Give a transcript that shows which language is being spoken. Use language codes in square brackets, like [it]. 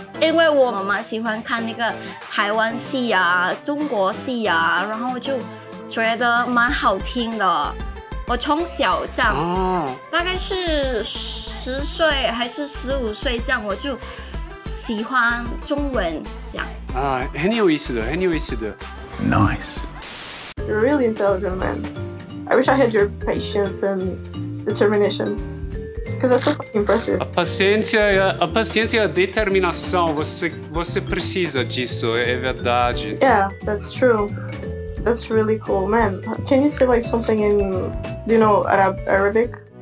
[zh] 因为我妈妈喜欢看那个台湾戏啊，中国戏啊，然后就觉得蛮好听的。我从小这样，啊，大概是十岁还是十五岁这样，我就喜欢中文这样。啊，很有意思的，很有意思的。 [en] Nice. You're a really intelligent man. I wish I had your patience and determination. Because that's so impressive. [pt] A paciência e a determinação, você precisa disso, é verdade. [en] Yeah, that's true. That's really cool. Man, can you say like something in, do you know, Arabic?